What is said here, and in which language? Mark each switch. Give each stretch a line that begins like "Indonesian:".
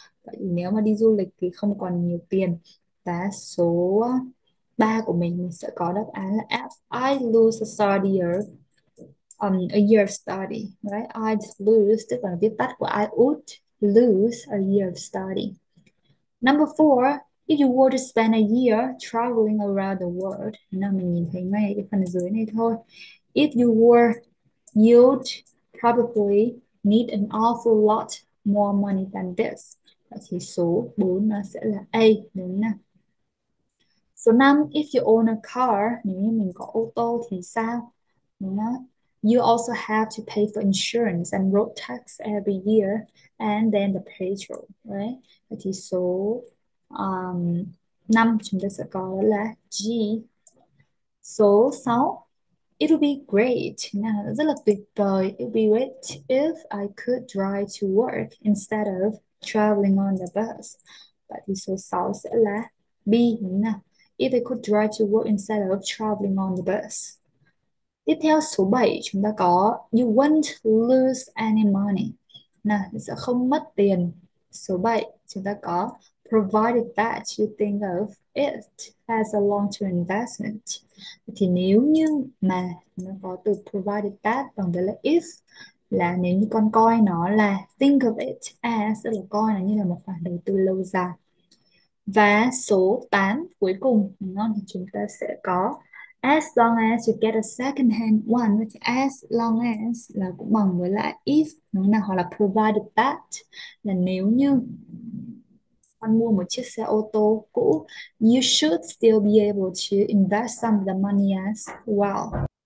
Vietnamese: Vậy thì nếu mà đi du lịch thì không còn nhiều tiền. Và số 3 của mình sẽ có đáp án là F,
English: I lose a study year. A year of study, right? I'd lose,
Vietnamese: tức là viết tắt của
English: I would lose a year of study. Number four, if you were to spend a year traveling around the world, now
Vietnamese: mình nhìn thấy ngay cái phần dưới này thôi.
English: You'd probably need an awful lot more money than this.
Vietnamese: Và thì số 4 nó sẽ là A, đúng nè. Số 5,
English: if you own a car,
Vietnamese: nếu như mình có ô tô thì sao? Đúng không?
English: You also have to pay for insurance and road tax every year and then the petrol, right?
Vietnamese: Vậy thì số 5 chúng ta sẽ có là G. Số 6,
English: it'll be great.
Vietnamese: Nào, rất là tuyệt vời.
English: It'll be great if I could drive to work instead of traveling on the bus.
Vietnamese: Vậy thì số 6 sẽ là B. Nào,
English: if I could drive to work instead of traveling on the bus.
Vietnamese: Tiếp theo số 7 chúng ta có
English: you won't lose any money.
Vietnamese: Nào, sẽ không mất tiền. Số 7 chúng ta có
English: provided that you think of it as a long-term investment.
Vietnamese: Thì nếu như mà nó có từ
English: provided that
Vietnamese: bằng với là if, là nếu như con coi nó là
English: think of it as,
Vietnamese: là coi nó như là một khoản đầu tư lâu dài. Và số 8 cuối cùng, ngon, thì chúng ta sẽ có
English: as long as you get a second hand one, as long as
Vietnamese: là cũng bằng với lại if, đúng không nào, hoặc là
English: provided that
Vietnamese: là nếu như con mua một chiếc xe ô tô cũ,
English: you should still be able to invest some of the money as well.